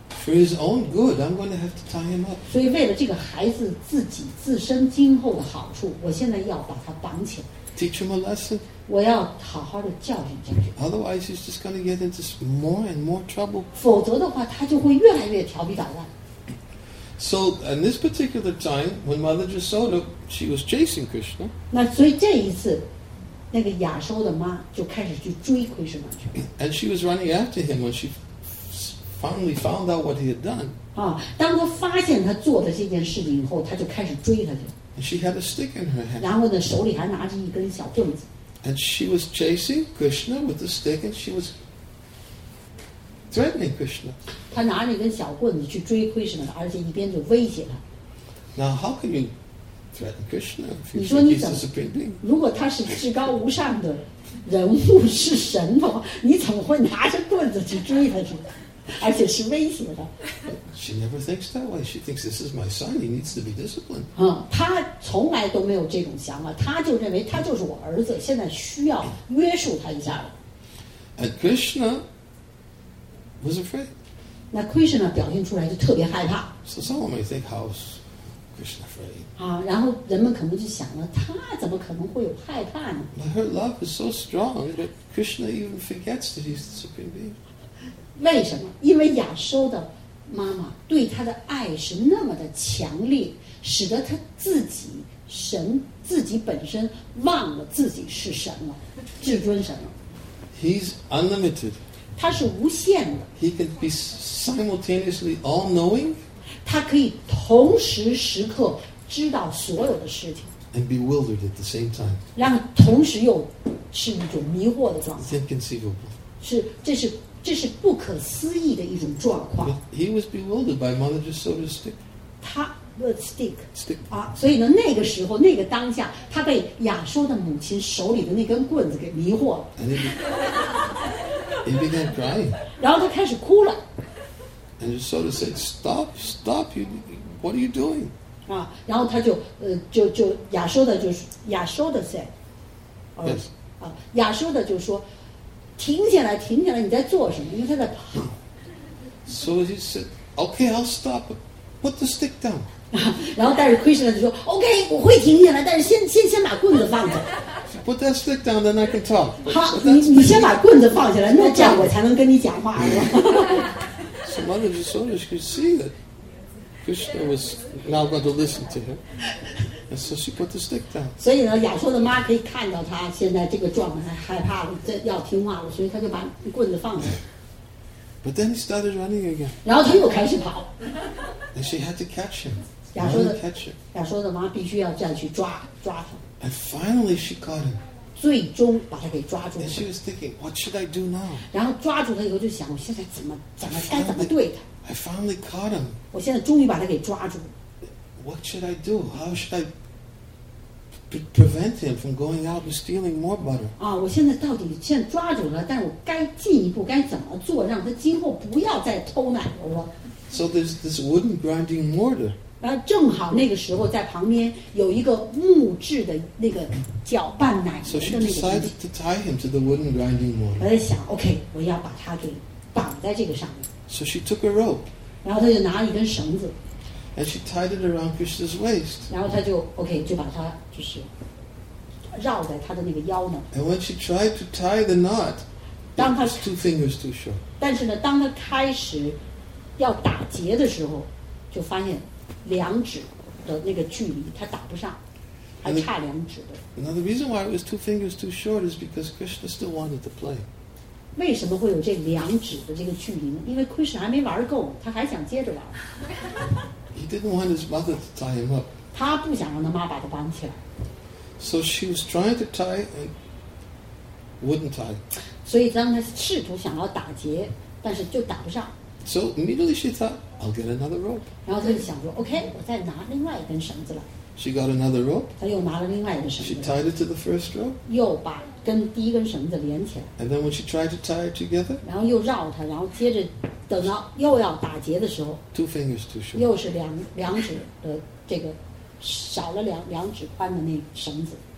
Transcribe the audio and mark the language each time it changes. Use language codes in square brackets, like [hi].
[en] For his own good, I'm going to have to tie him up. [zh] 所以为了这个孩子自己自身今后的好处，我现在要把他绑起来。 [en] Teach him a lesson. [zh] 我要好好的教训教训。 [en] Otherwise, he's just going to get into more and more trouble. [zh] 否则的话，他就会越来越调皮捣蛋。 [en] So, in this particular time, when Mother Jasoda, she was chasing Krishna. [zh] 那所以这一次，那个亚修的妈就开始去追 Krishna 去。 [en] And she was running after him when she finally found out what he had done. [zh] 啊，当他发现他做的这件事情以后，他就开始追他去。 [en] And she had a stick in her hand. [zh] 然后呢，手里还拿着一根小棍子。 [en] And she was chasing Krishna with the stick, and she was threatening Krishna. [zh] 他拿着一根小棍子去追 Krishna， 而且一边就威胁他。 [en] Now how can you threaten Krishna? [zh] 你说你怎么？如果他是至高无上的人物，是神的话，你怎么会拿着棍子去追他去？而且是威胁的。 [en] She never thinks that way. She thinks this is my son. He needs to be disciplined. [zh] 嗯，她从来都没有这种想法。她就认为他就是我儿子，现在需要约束他一下了。 [en] And Krishna was afraid. [zh] 那 Krishna 表现出来就特别害怕。 [en] So someone may think, how is Krishna afraid? [zh] 啊，然后人们可能就想了，他怎么可能会有害怕呢？ [en] But her love is so strong that Krishna even forgets that he's the supreme being. [zh] 为什么？因为亚修的妈妈对他的爱是那么的强烈，使得他自己神自己本身忘了自己是神了，至尊神了。 [en] He's unlimited. [zh] 他是无限的。 [en] He can be simultaneously all-knowing. [zh] 他可以同时时刻知道所有的事情。 [en] And bewildered at the same time. [zh] 然后同时又是一种迷惑的状态。 [en] It's inconceivable. [zh] 是，这是。这是不可思议的一种状况。 [en] But he was bewildered by Mother Jasoda's stick. [zh] 他 [en] the stick. Stick. [zh] 啊，所以呢，那个时候，那个当下，他被亚修的母亲手里的那根棍子给迷惑了。 [en] And he began crying. [zh] 然后他开始哭了。 [en] And Jasoda said, "Stop, stop! You, what are you doing?" [zh] 啊，然后他就亚修的就是亚修的 [en] said, "Yes." [zh] 啊，亚修的就说。停下来，停下来！你在做什么？因为他在跑。 [en] So he said, "Okay, I'll stop. Put the stick down." [zh] 然后，但是 Krishna 就说 ，"Okay, 我会停下来，但是先把棍子放下。 [en] Put that stick down, then I can talk." [zh] 好，你先把棍子放下来，那这样我才能跟你讲话。 [en] So Mother Jasoda could see that Krishna was now going to listen to him, and so she put the stick down. [zh] 所以呢，亚修的妈可以看到他现在这个状态，害怕了，这要听话了，所以他就把棍子放下。 [en] But then he started running again. [zh] 然后他又开始跑。 [en] And she had to catch him. [zh] 亚修的 [en] catch him. [zh] 亚修的妈必须要再去抓他。 [en] And finally she caught him. [zh] 最终把他给抓住了。 [en] And she was thinking, what should I do now? [zh] 然后抓住他以后就想，我现在该怎么对他。 [en] I finally caught him. [zh] 我现在终于把他给抓住。 [en] What should I do? How should I prevent him from going out and stealing more butter? [zh] 啊，我现在到底现在抓住了，但我该进一步该怎么做，让他今后不要再偷奶油了 [en] ？So there's this wooden grinding mortar. [zh] 然后正好那个时候在旁边有一个木质的那个搅拌奶油的那个。 [en] So she decided to tie him to the wooden grinding mortar. [zh] 我在想 ，OK， 我要把他给绑在这个上面。 [en] So she took a rope. [zh] 然后他就拿了一根绳子。 [en] And she tied it around Krishna's waist. [zh] 然后他就 OK， 就把它就是绕在他的那个腰呢。 [en] And when she tried to tie the knot, [zh] 当他 [en] two fingers too short. [zh] 但是呢，当他开始要打结的时候，就发现两指的那个距离他打不上，还差两指的。 [en] Now the reason why it was two fingers too short is because Krishna still wanted to play. [zh] 为什么会有这两指的这个距离呢？因为 Krishna 还没玩够，他还想接着玩。 [en] He didn't want his mother to tie him up. [zh] 他不想让他妈把他绑起来。 [en] So she was trying to tie and wouldn't tie. [zh] 所以当他试图想要打结，但是就打不上。 [en] So immediately she thought, I'll get another rope. [zh] 然后他就想说 ，OK， 我再拿另外一根绳子来。 [en] She got another rope. [zh] 他又拿了另外一根绳子。 [en] She tied it to the first rope. [zh] 又把。跟第一根绳子连起来 [en] ，and then when she tried to tie it together， [zh] 然后又绕它，然后接着等到又要打结的时候 [en] ，two fingers too short， [zh] 又是两指的这个少了两指宽的那绳子。